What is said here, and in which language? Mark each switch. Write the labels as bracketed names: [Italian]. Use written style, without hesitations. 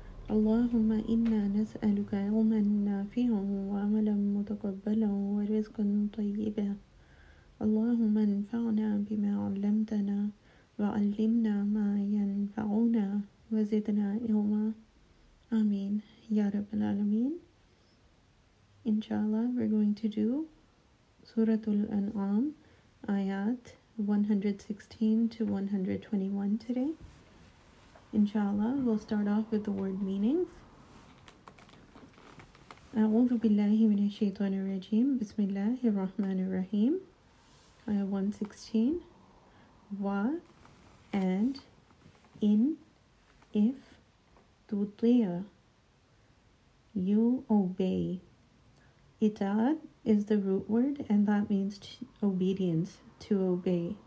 [Arabic] اللهم إنا نسألك علما نافعا وعملا متقبلا ورزقا طيبا. اللهم انفعنا بما علمتنا وعلمنا ما ينفعنا وزدنا علما. آمين يا رب العالمين. إن شاء الله [English] we're going to do سورة الأنعام آيات 116 to 121 today. Inshallah, we'll start off with the word meanings. [Arabic] أعوذ بالله من الشيطان الرجيم. بسم الله الرحمن الرحيم. آيات 116. [English] Wa and in if tutia you obey. Itaat is the root word, and that means obedience, to obey.